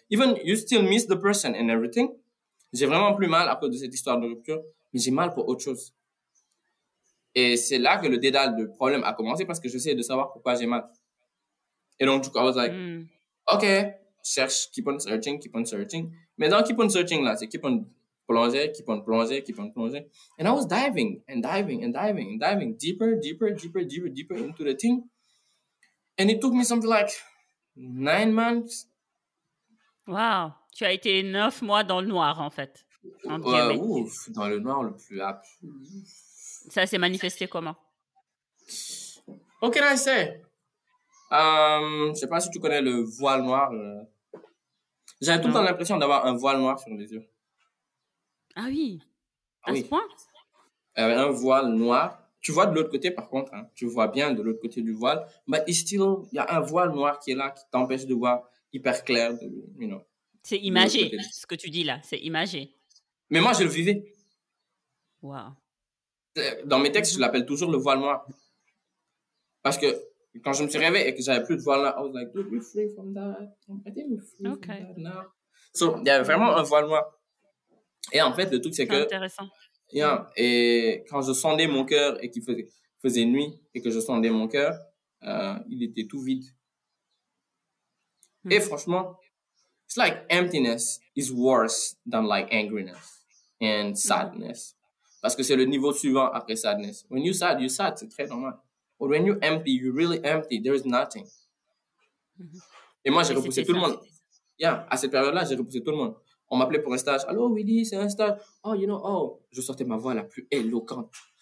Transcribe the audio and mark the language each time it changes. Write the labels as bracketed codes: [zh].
[en] Even you still miss the person and everything. [fr] J'ai vraiment plus mal à cause de cette histoire de rupture, mais j'ai mal pour autre chose. Et c'est là que le dédale de problème a commencé parce que j'essayais de savoir pourquoi j'ai mal. Et donc, du coup, [en] I was like, OK, cherche, keep on searching. [fr] Mais dans [en] keep on searching là, c'est keep on plonger, keep on plonger, keep on plonger. And I was diving and diving and diving and diving deeper, deeper, deeper, deeper, deeper into the thing. And it took me something like 9 months. [fr] Wow, tu as été 9 mois dans le noir, en fait. Ouf, dans le noir le plus absolu. Ça s'est manifesté comment? Ok, là, c'est... je sais pas si tu connais le voile noir. J'avais tout le temps l'impression d'avoir un voile noir sur les yeux. Ah oui, ce point? Un voile noir. Tu vois de l'autre côté, par contre. Hein, tu vois bien de l'autre côté du voile. Mais still, il y a un voile noir qui est là, qui t'empêche de voir hyper clair. [en] De, you know, [fr] c'est imagé, ce que tu dis là. C'est imagé. Mais moi, je le vivais. Wow. Dans mes textes, je l'appelle toujours le voile noir. Parce que quand je me suis réveillé et que j'avais plus de voile noir, [en] I was like, we're free from that. I think we're free from that now. [fr] So, il y avait vraiment un voile noir. Et en fait, le truc, c'est que... C'est intéressant. Yeah, et quand je sondais mon cœur et qu'il faisait nuit et que je sondais mon cœur, il était tout vide. [en] Et franchement, it's like emptiness is worse than like angriness and sadness. [fr] Parce que c'est le niveau suivant après sadness. [en] When you're sad, you're sad. [fr] C'est très normal. [en] But when you're empty, you're really empty. There is nothing. Mm-hmm. [fr] Et moi, j'ai repoussé tout le monde. Yeah, à cette période-là, j'ai repoussé tout le monde. On m'appelait pour un stage. Allô, Willy, c'est un stage. Oh, you know, oh. Je sortais ma voix la plus éloquente.